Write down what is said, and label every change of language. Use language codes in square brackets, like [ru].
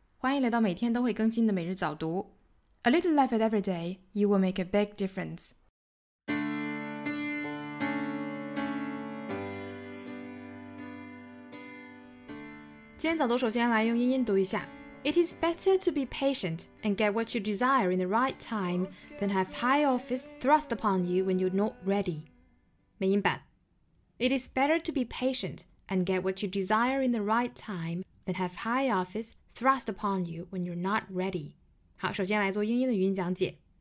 [zh] 欢迎来到每天都会更新的每日早读。 [en] A little life at every day, you will make a big difference. [zh] 今天早读首先来用英音读一下。 [en] It is better to be patient and get what you desire in the right time than have high office thrust upon you when you're not ready. [zh] 美音版。 [en] It is better to be patient and get what you desire in the right time than have high office thrust upon you when you're not ready. [zh] 好，首先来做英音的语音讲解。